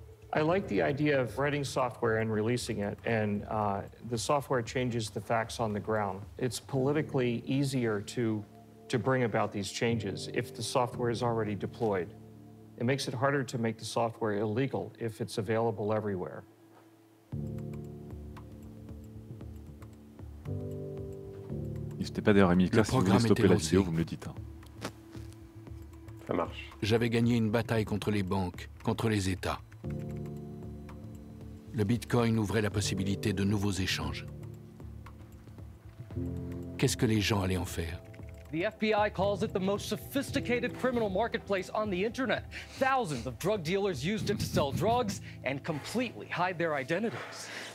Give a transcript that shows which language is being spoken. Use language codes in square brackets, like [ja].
[en] I like the idea of writing software and releasing it, and the software changes the facts on the ground. It's politically easier to bring about these changes if the software is already deployed. It makes it harder to make the software illegal if it's available everywhere. [fr] N'hésitez pas d'ailleurs à m'y classer, si vous voulez stopper la vidéo, vous me le dites. Hein. Ça marche. J'avais gagné une bataille contre les banques, contre les États. Le Bitcoin ouvrait la possibilité de nouveaux échanges. Qu'est-ce que les gens allaient en faire ? [en] The FBI calls it the most sophisticated criminal marketplace on the internet. Thousands of drug dealers used it to sell drugs and completely hide their identities.